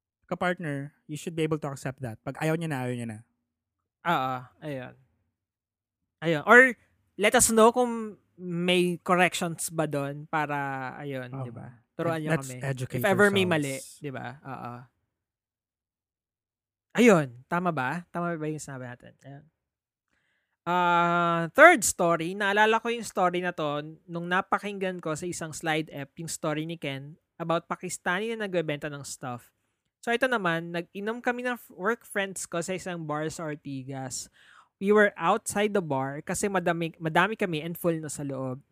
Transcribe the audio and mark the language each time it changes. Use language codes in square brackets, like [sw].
[en] kapartner, you should be able to accept that. [tl] Pag ayaw niya na, ayaw niya na. Ayan. Ayan. [en] Or let us know [tl] kung may corrections ba doon para ayun, di ba? Turuan niyo kami. [en] Educate if ever yourselves. [tl] May mali, di ba? Ayun, tama ba? Tama ba yung sinabi natin? Ayun. [en] Third story, [tl] naalala ko yung story na to nung napakinggan ko sa isang slide app yung story ni Ken about Pakistani na nagbebenta ng stuff. So ito naman, nag-inom kami ng work friends ko sa isang bar sa Ortigas. [en] We were outside the bar [tl] kasi madami kami [en] and full na sa loob.